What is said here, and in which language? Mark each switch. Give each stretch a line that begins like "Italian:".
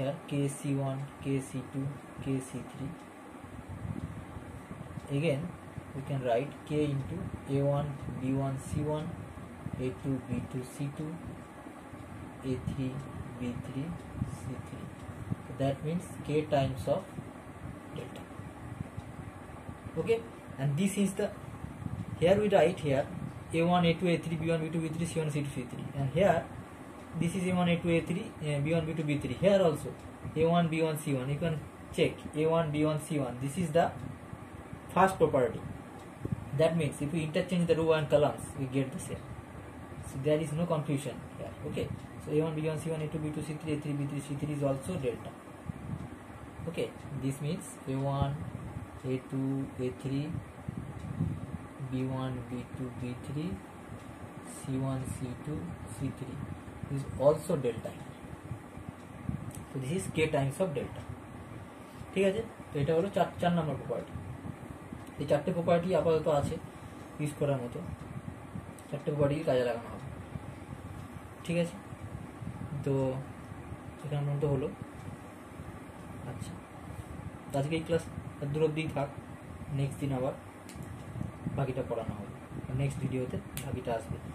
English: K C one K C two K C three, again we can write k into a1 b1 c1 a2 b2 c2 a3 b3 c3, so that means k times of delta. Okay, and this is the, here we write here a1 a2 a3 b1 b2 b3 c1 c2 c3, and here this is a1 a2 a3 b1 b2 b3, here also a1 b1 c1, you can check a1 b1 c1, this is the first property, that means if we interchange the row and columns we get the same, so there is no confusion here. Okay, so a1 b1 c1 a2 b2 c3 a3 b3 c3 is also delta, Okay, this means A1, A2, A3, B1, B2, B3, C1, C2, C3. This is also delta. So this is k times of delta.
Bangla: ঠিক আছে, তো এটা হলো চার চার নম্বর property. এই চারটে property আপাতত আছে ইউজ করার মতো, চারটে প্রপার্টিকে কাজে লাগানো হবে। ঠিক আছে, তো এখানে মতো হলো। আচ্ছা, আজকে এই ক্লাস দূর অব্দিই থাক, নেক্সট দিন আবার বাকিটা পড়ানো হবে, নেক্সট ভিডিওতে বাকিটা আসবে।